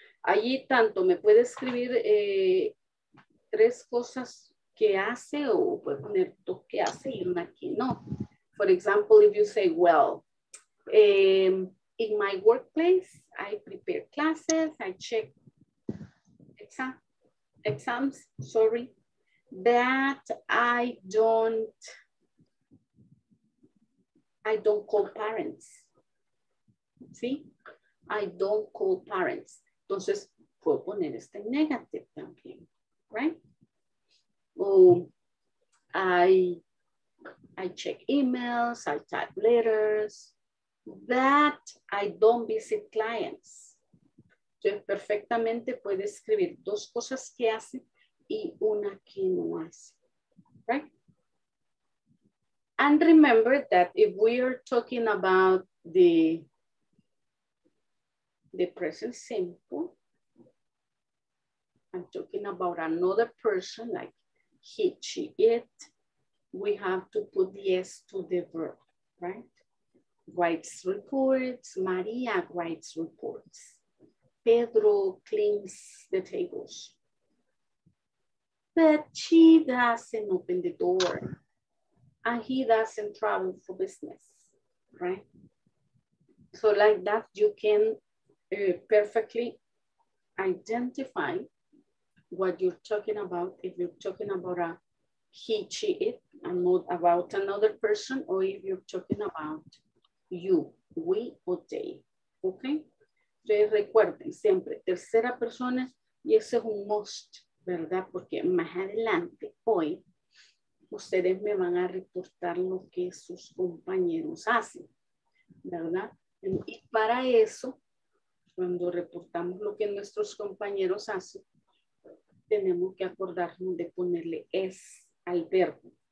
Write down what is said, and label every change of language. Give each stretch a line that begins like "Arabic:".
Spanish: Allí tanto me puede escribir tres cosas que hace o puede poner dos que hace y una que no.
English: For example, if you say, well, in my workplace, I prepare classes, I check exams, sorry, that I don't call parents. ¿Sí? I don't call parents.
Spanish: Entonces, puedo poner este negative también, right?
English: Oh, I check emails, I type letters, that I don't visit clients.
Spanish: Entonces, perfectamente puede escribir dos cosas que hace y una que no hace, right?
English: And remember that if we are talking about the present simple, I'm talking about another person, like he, she, it, we have to put yes to the verb, right? Writes reports, Maria writes reports. Pedro cleans the tables. But she doesn't open the door. And he doesn't travel for business, right? So like that, you can perfectly identify what you're talking about, if you're talking about a he, she, it, and not about another person, or if you're talking about you, we, or they, okay?
Spanish: Entonces recuerden siempre, tercera persona, y ese es un must, ¿verdad? Porque más adelante, hoy, ustedes me van a reportar lo que sus compañeros hacen, ¿verdad? Y para eso, cuando reportamos lo que nuestros compañeros hacen, tenemos que acordarnos de ponerle es al verbo.